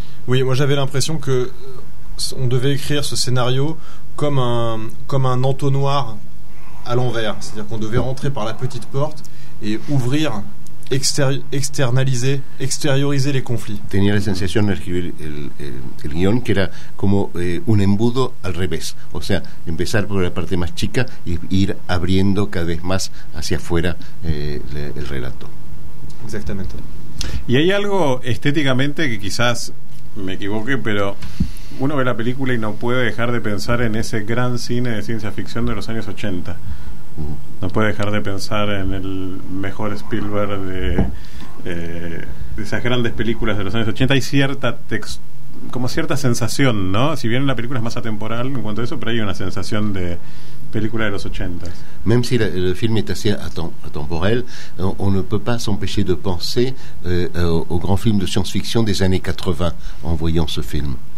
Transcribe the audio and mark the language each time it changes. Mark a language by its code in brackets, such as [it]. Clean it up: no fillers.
[fr] Oui, moi j'avais l'impression que on devait écrire ce scénario comme un entonnoir à l'envers, c'est-à-dire qu'on devait rentrer par la petite porte et ouvrir, externaliser, extérioriser les conflits. [es] Tenía la sensación de escribir el guión que era como un embudo al revés, o sea, empezar por la parte más chica y ir abriendo cada vez más hacia afuera el relato. Exactamente. Y hay algo estéticamente que quizás me equivoque, pero uno ve la película y no puede dejar de pensar en ese gran cine de ciencia ficción de los años 80. No puede dejar de pensar en el mejor Spielberg de esas grandes películas de los años 80. Hay cierta como cierta sensación, ¿no? Si bien la película es más atemporal en cuanto a eso, pero hay una sensación de película de los 80. [fr] Même si [es] el film [fr] est assez atemporel, on ne peut pas s'empêcher de penser au grand film de science-fiction des années 80 en voyant ce film.